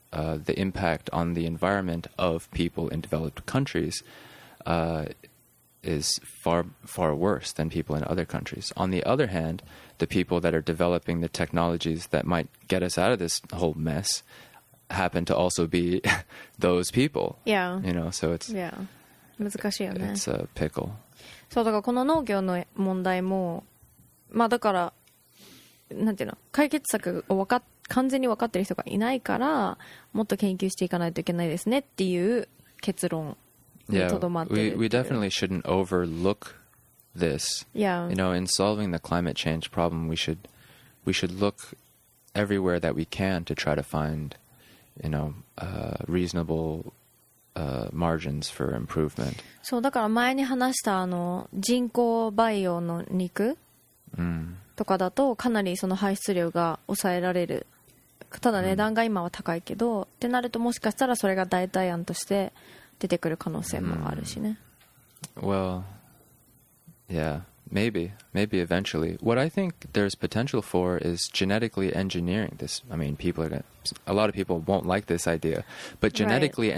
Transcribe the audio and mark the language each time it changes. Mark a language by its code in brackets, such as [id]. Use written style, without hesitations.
[en] the impact on the environment of people in developed countries is far, far worse than people in other countries. On the other hand, the people that are developing the technologies that might get us out of this whole mess happen to also be those people. Yeah. You know, so it's... [ja] Yeah. 難しいよね。 [en] It's a pickle. [ja] そう、だからこの農業の問題も、まあだから、なんていうの、解決策を完全に分かってる人がいないから、もっと研究していかないといけないですねっていう結論にとどまってる。 [en] Yeah, we definitely shouldn't overlook this. Yeah. You know, in solving the climate change problem, we should look everywhere that we can to try to find, you know, reasonable... margins for improvement. [ja] そうだから前に話したあの人工培養の肉、mm. とかだとかなりその排出量が抑えられる。ただ値段が今は高いけど、mm. ってなるともしかしたらそれが代替案として出てくる可能性もあるしね。 Mm. [en] Well, yeah, maybe eventually. What I think there's potential for is genetically engineering this. I mean, people are gonna... A lot of people won't like this idea, but genetically right.